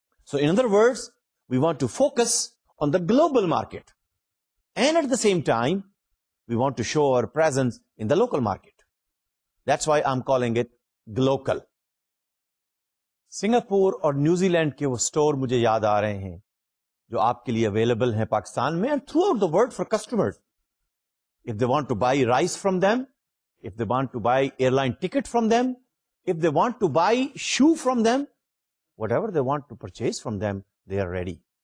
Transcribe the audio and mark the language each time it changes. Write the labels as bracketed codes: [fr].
[en] So in other words we want to focus on the global market and at the same time we want to show our presence in the local market. That's why I am calling it glocal. [ur] Singapore اور New Zealand کے وہ store مجھے یاد آ رہے ہیں جو آپ کے لیے اویلیبل ہیں پاکستان میں [en] And throughout the world for customer. If they want to buy rice from them, if they want to buy airline ticket from them, if they want to buy shoe from them, whatever they want to purchase from them, they are ready.